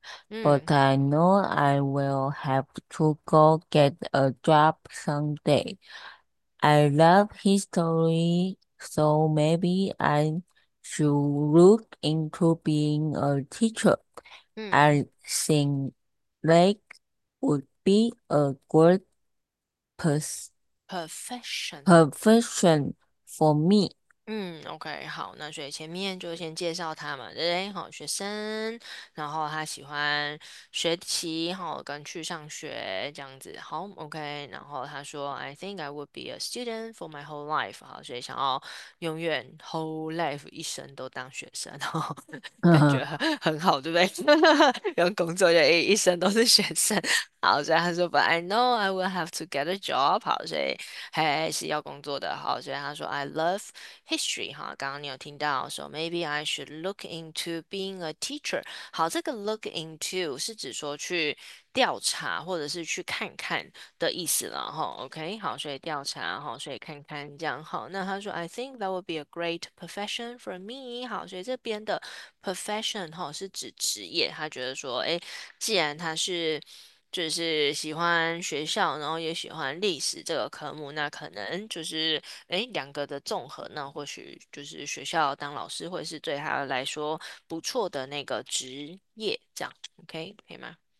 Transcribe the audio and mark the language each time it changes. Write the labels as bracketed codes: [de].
[en] But I know I will have to go get a job someday. I love history, so maybe I should look into being a teacher. I think that would be a good Profession。 profession for me. [zh] OK，好，那所以前面就先介绍他嘛，对不对？好，学生，然后他喜欢学习，好，跟去上学这样子，好，OK。然后他说， [en] I think I would be a student for my whole life， [zh] 好，所以想要永远 whole life 一生都当学生，哦，感觉很好，对不对？不用工作就一生都是学生，好，所以他说， [en] But I know I will have to get a job， [zh] 好，所以还是要工作的，好，所以他说， [en] I love history [zh] 哈，刚刚你有听到，说 [en] maybe I should look into being a teacher。 [zh] 好，这个 [en] look into [zh] 是指说去调查或者是去看看的意思了哈。 OK，好，所以调查哈，所以看看这样好。那他说 [en] I think that would be a great profession for me。 [zh] 好，所以这边的 profession 哈是指职业，他觉得说，诶，既然他是就是喜欢学校，然后也喜欢历史这个科目，那可能就是诶两个的综合，那或许就是学校当老师会是对他来说不错的那个职业，这样 OK 可以吗？